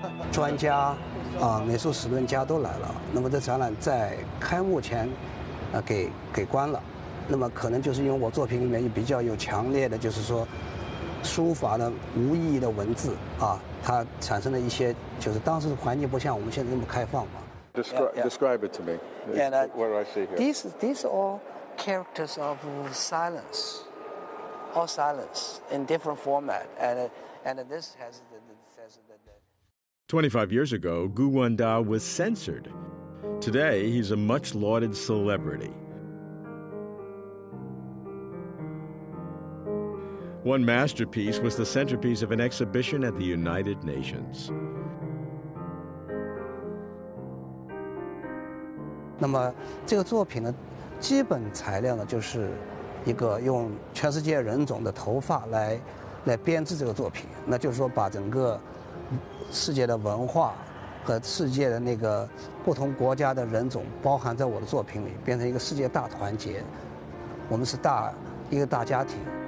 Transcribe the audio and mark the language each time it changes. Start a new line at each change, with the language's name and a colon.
Chinese: 专家、美术史论家都来了，那么这展览在开幕前、给关了。那么可能就是因为我作品里面比较有强烈的就是说书法的无意义的文字啊，它产生了一些就是当时环境不像我们现在那么开放嘛。
English: Describe it to me. And what do I see here? These all. Characters of silence, all silence in different format, and this has the 25 years ago, Gu Wenda was censored. Today, he's a much lauded celebrity. One masterpiece was the centerpiece of an exhibition at the United Nations.
Chinese: 那么这个作品呢基本材料呢就是一个用全世界人种的头发来编制这个作品，那就是说把整个世界的文化和世界的那个不同国家的人种包含在我的作品里，变成一个世界大团结，我们是一个大家庭。